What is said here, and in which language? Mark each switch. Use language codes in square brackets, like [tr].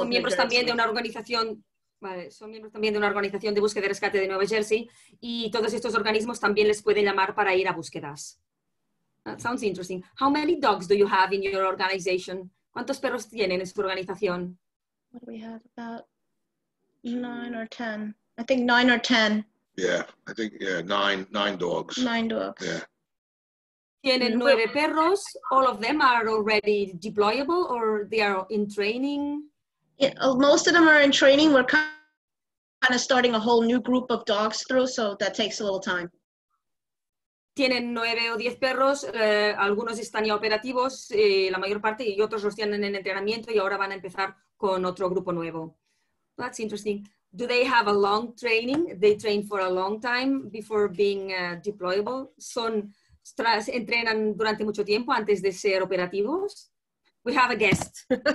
[es] Son miembros también de una organización, son miembros también de una organización de búsqueda y rescate de Nueva Jersey y todos estos organismos también les pueden llamar para ir a búsquedas. [en] That sounds interesting. How many dogs do you have in your organization? [es] ¿Cuántos perros tienen en su organización? [en] What do we have, about 9 or 10. I think 9 dogs. 9 dogs. Yeah. [es] Tienen 9 perros. [en] All of them are already deployable or they are in training? Yeah, most of them are in training. We're kind of starting a whole new group of dogs through, so that takes a little time. [es] Tienen 9 o 10 perros. Algunos están ya operativos, la mayor parte, y otros los tienen en entrenamiento y ahora van a empezar con otro grupo nuevo. [en] That's interesting. Do they have a long training? They train for a long time before being deployable? [es] Son... ¿Entrenan durante mucho tiempo antes de ser operativos? [en] We have a guest.